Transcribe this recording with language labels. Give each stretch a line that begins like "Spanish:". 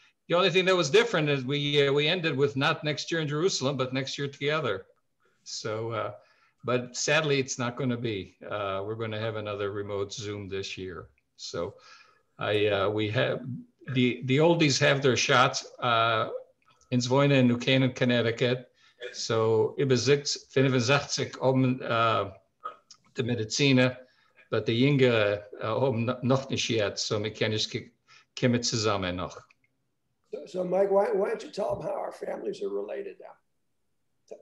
English: The only thing that was different is we ended with not next year in Jerusalem, but next year together. So, but sadly, it's not going to be. We're going to have another remote Zoom this year. So, we have the oldies have their shots in Zvoina and New Canaan, Connecticut.
German: So, über 65 haben die Mediziner, aber die Jüngeren haben noch nicht
English: yet,
German: so wir können nicht kommen zusammen noch.
English: So, Mike, why don't you tell them how our families are related now?